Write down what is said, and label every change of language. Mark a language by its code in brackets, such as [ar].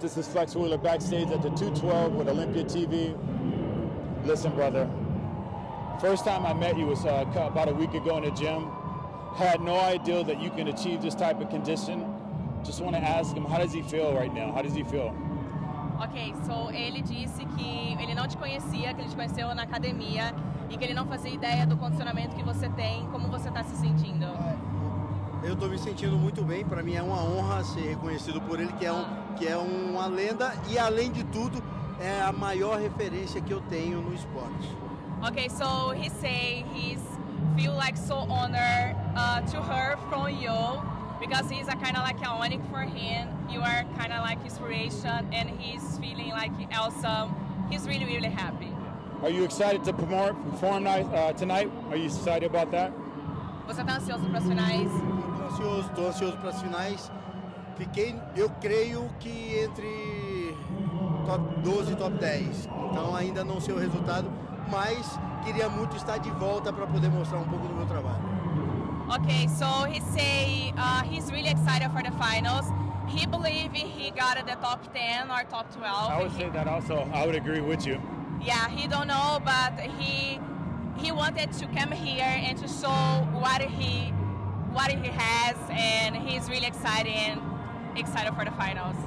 [en] This is Flex Wheeler backstage at the 212 with Olympia TV. Listen, brother. First time I met you was about a week ago in the gym. Had no idea that you can achieve this type of condition. Just want to ask him, how does he feel right now? How does he feel? Okay, so [pt] ele disse que ele não te conhecia, que ele te conheceu na academia e que ele não fazia ideia do condicionamento que você tem, como você está se sentindo. Eu tô me sentindo muito bem, para mim é uma honra ser reconhecido por ele, que é uma lenda e, além de tudo, é a maior referência que eu tenho no esporte. [en] Okay, so he say he's feel like so honored to hear from you, because he's a kind of like iconic for him. You are kind of like inspiration, and he's feeling like awesome. He's really, really happy. Are you excited to perform tonight? Are you excited about that? [pt] Você tá ansioso para as finais? Tô ansioso para as finais. Eu creio que entre top 12 e top 10. Então ainda não sei o resultado, mas queria muito estar de volta para poder mostrar um pouco do meu trabalho. [en] Okay, so he say he's really excited for the finals. He believe he got the top 10 or top 12. I would say that also. I would agree with you. Yeah, he don't know, but he wanted to come here and to show what he has, and he's really excited for the finals.